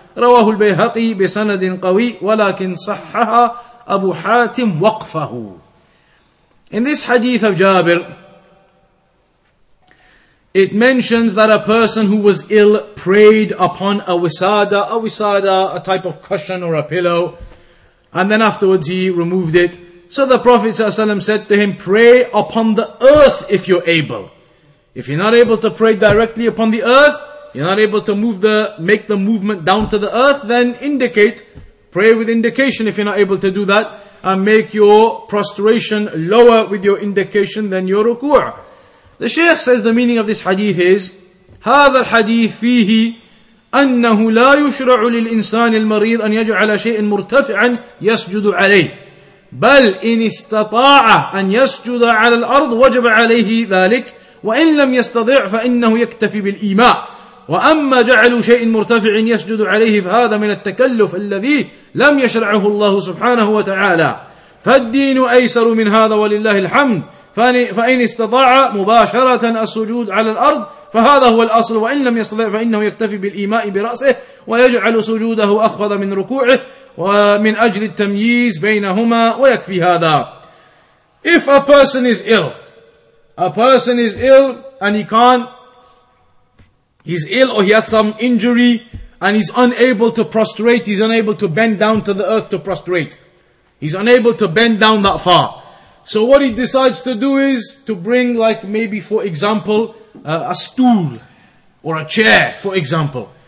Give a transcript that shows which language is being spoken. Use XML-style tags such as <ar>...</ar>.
<ar>رواه البيهقي بسند قوي ولكن صحها أبو حاتم وقفه.</ar> <en>In this hadith of Jabir, it mentions that a person who was ill prayed upon a wisada, a type of cushion or a pillow, and then afterwards he removed it. So the Prophet ﷺ said to him, pray upon the earth if you're able. If you're not able to pray directly upon the earth, you're not able to make the movement down to the earth, then indicate, pray with indication if you're not able to do that, and make your prostration lower with your indication than your ruku'ah. The Shaykh says the meaning of this hadith is,</en> <ar>هذا الحديث فيه أنه لا يشرع للإنسان المريض أن يجعل شيء مرتفعا يسجد عليه بل إن استطاع أن يسجد على الأرض وجب عليه ذلك وإن لم يستطع فإنه يكتفي بالإيماء وأما جعل شيء مرتفع يسجد عليه فهذا من التكلف الذي لم يشرعه الله سبحانه وتعالى فالدين أيسر من هذا ولله الحمد فإن استطاع مباشرة السجود على الأرض فهذا هو الأصل وإن لم يستطع فإنه يكتفي بالإيماء برأسه ويجعل سجوده أخفض من ركوعه ومن أجل التمييز بينهما ويكفي هذا.</ar> <en>If a person is ill, and he's ill or he has some injury and he's unable to prostrate, he's unable to bend down to the earth to prostrate. He's unable to bend down that far. So what he decides to do is to bring, like maybe for example, a stool or a chair, for example.</en>